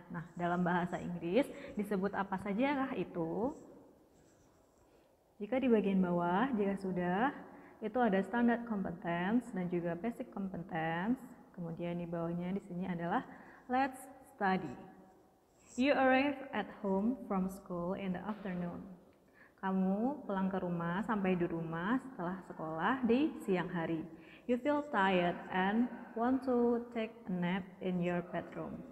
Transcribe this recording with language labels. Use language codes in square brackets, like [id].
[id] Nah, dalam bahasa Inggris disebut apa sajakah itu? Jika di bagian bawah, jika sudah, itu ada standard competence dan juga basic competence. Kemudian di bawahnya di sini adalah [en] let's study. You arrive at home from school in the afternoon. [id] Kamu pulang ke rumah sampai di rumah setelah sekolah di siang hari. [en] You feel tired and want to take a nap in your bedroom.